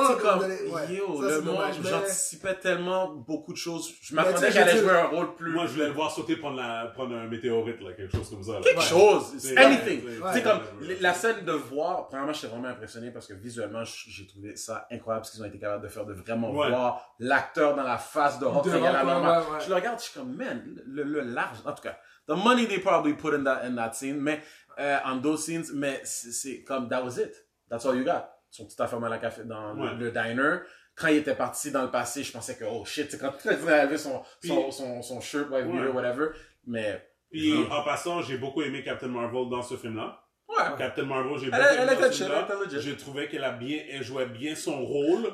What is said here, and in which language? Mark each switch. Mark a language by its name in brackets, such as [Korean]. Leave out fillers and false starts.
[French] C'est comme, dommage, j'anticipais tellement beaucoup de choses. Je m'attendais qu'elle allait jouer un rôle plus. Moi, je voulais le voir sauter prendre un météorite, là, quelque chose comme ça. Quelque chose, anything. Tu sais, comme, la scène de voir, premièrement, j'étais vraiment impressionné parce que visuellement, j'ai trouvé ça incroyable ce qu'ils ont été capables de faire, de vraiment voir l'acteur dans la face de Hulk. Je le regarde, je suis comme, man, le large, en tout cas, [English] the money they probably put in that scene, mais, on those scenes, [French] mais c'est comme, [English] that was it, that's all you got. [French] Ils sont tout à fait mal à la café dans le diner. Quand il était parti dans le passé, je pensais que, oh shit, c'est quand il avait son shirt, whatever, mais. Puis, en passant, j'ai beaucoup aimé Captain Marvel dans ce film-là. Ouais. Captain Marvel, j'ai beaucoup aimé. Je trouvais qu'elle jouait bien son rôle.